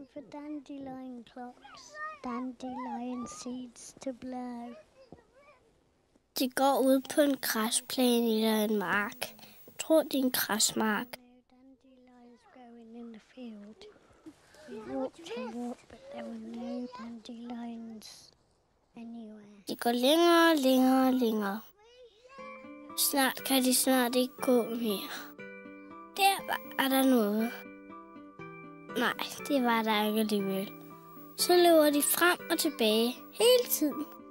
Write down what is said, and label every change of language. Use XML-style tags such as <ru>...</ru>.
<en>Dandelion clocks, dandelion seeds to blow.</en> <da>De går ud på en græsplæne eller en mark. Tror det er en græsmark.</da> <en>Dandelions growing in the field. We walked and walked, but there were no dandelions anywhere.</en> <da>De går længere og længere og længere. Snart kan de snart ikke gå mere. Der var der noget. Nej, det var der ikke alligevel. Så løber de frem og tilbage hele tiden.</da>